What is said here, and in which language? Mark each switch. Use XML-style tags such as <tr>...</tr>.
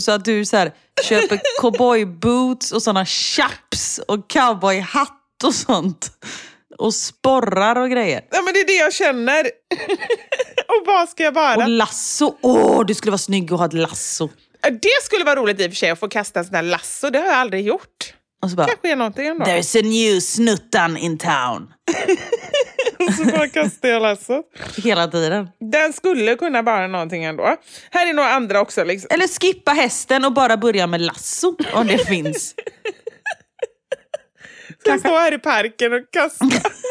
<sv>Så att du så här, köper cowboyboots och såna chaps och cowboyhatt och sånt. Och sporrar och grejer. Ja, men det är det jag känner. Och vad ska jag vara? Och lasso. Åh, du skulle vara snygg och ha ett lasso. Det skulle vara roligt i och för sig att få kasta en sån här lasso. Det har jag aldrig gjort. Och så bara, kanske är någonting ändå.</sv> <en>There's a new snuttan in town.</en> <sv>Och så bara kasta jag lasso. Hela tiden. Den skulle kunna vara någonting ändå. Här är några andra också. Liksom. Eller skippa hästen och bara börja med lasso. Om det finns. Ska stå här i parken och kasta.</sv>